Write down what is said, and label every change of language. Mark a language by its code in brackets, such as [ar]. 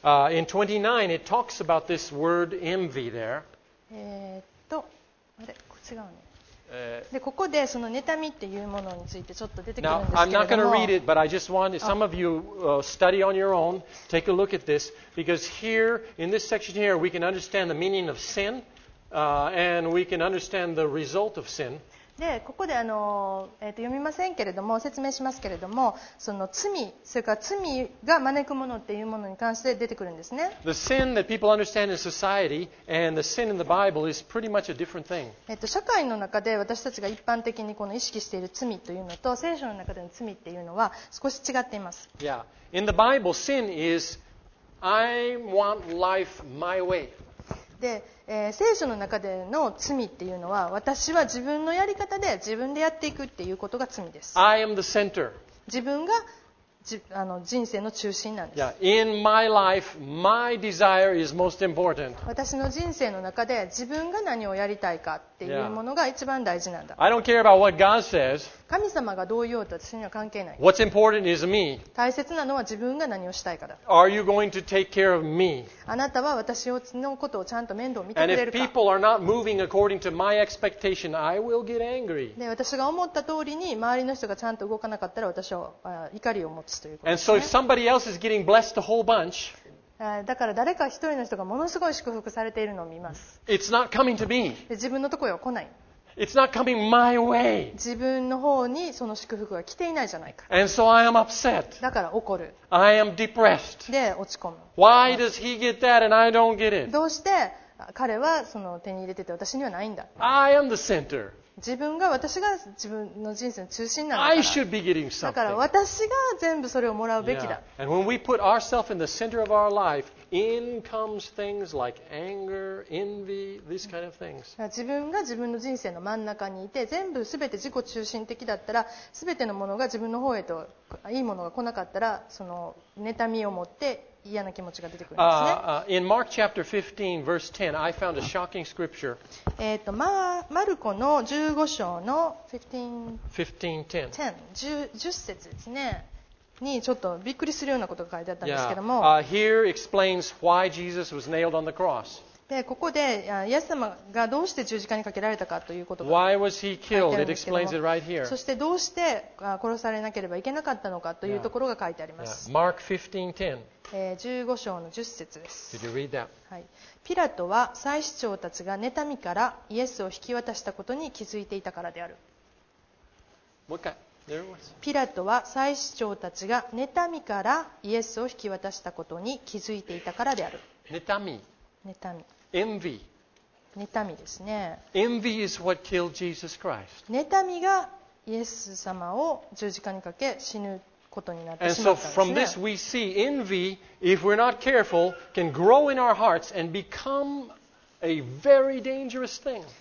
[en] In 29, it talks about this word envy there. [ja] あれ、こっち側ね。でここでその妬みっていうものについてちょっと出てくるんですけども [en] Now, I'm not going to read it, but I just want some of you study on your own, take a look at this, because here, in this section here, we can understand the meaning of sin, and we can understand the result of sin. [ja] でここで読みませんけれども説明しますけれども、その罪、それから罪が招くものっていうものに関して出てくるんですね。 [en] The sin that people understand in society and the sin in the Bible is pretty much a different thing. [ja] 社会の中で私たちが一般的にこの意識している罪というのと聖書の中での罪っていうのは少し違っています。 [en] Yeah. In the Bible, sin is I want life my way. [ja] で、聖書の中での罪っていうのは、私は自分のやり方で自分でやっていくっていうことが罪です。 [en] I am the center. [ja] 自分が人生の中心なんです。 [en] Yeah. In my life, my desire is most important. [ja] 私の人生の中で自分が何をやりたいかっていうものが一番大事なんだ。 [en] Yeah. I don't care about what God says. [ja] 神様がどう言おうと私には関係ない。 [en] What's important is me. [ja] 大切なのは自分が何をしたいかだ。 [en] Are you going to take care of me? [ja] あなたは私のことをちゃんと面倒を見てくれるか。 [en] And if people are not moving according to my expectation, I will get angry. [ja] で、私が思った通りに周りの人がちゃんと動かなかったら私は怒りを持つということ、ね、 [en] And so if somebody else is getting blessed a whole bunch, [ja] だから誰か一人の人がものすごい祝福されているのを見ます。 [en] It's not coming to me. [ja] 自分のところには来ない。 [en] It's not coming my way. [ja] 自分の方にその祝福が来ていないじゃないか。 [en] And so I am upset. [ja] だから怒る。 [en] I am depressed. [ja] で落ち込む。 [en] Why does he get that and I don't get it? [ja] どうして彼はその手に入れてて私にはないんだ。 [en] I am the center. [ja] 自分が私が自分の人生の中心なんだから。 [en] I should be getting something. [ja] だから私が全部それをもらうべきだ。 [en] Yeah. And when we put ourselves in the center of our life,In comes things like anger, envy, these kind of things. [ja] 自分が自分の人生の真ん中にいて全部すべて自己中心的だったら、すべてのものが自分の方へといいものが来なかったら、その妬みを持って嫌な気持ちが出てくるんですね。 [en] In Mark chapter 15, verse 10, I found a shocking scripture. [ja] マルコの15章の 15:10 節ですね。にちょっとびっくりするようなことが書いてあったんですけども、 [en] here explains why Jesus was nailed on the cross. [ja] でここでイエス様がどうして十字架にかけられたかということが [en] Why was he killed? It explains it right here. [ja] そしてどうして殺されなければいけなかったのかというところが書いてあります。 [en] Mark 15:10. [ja] 15章の10節です。 [en] Did you read that? [ja] はい。ピラトは祭司長たちが妬みからイエスを引き渡したことに気づいていたからである。もう一回。ピラトは祭司長たちが妬みからイエスを引き渡したことに気づいていたからである。妬み。 [en] Envy. [ja] 妬みですね。 [en] Envy is what killed Jesus Christ. [ja] 妬みがイエス様を十字架にかけ死ぬことになってしまったんですね。 [en] And so from this we see envy, if we're not careful, can grow in our hearts and become a very dangerous thing.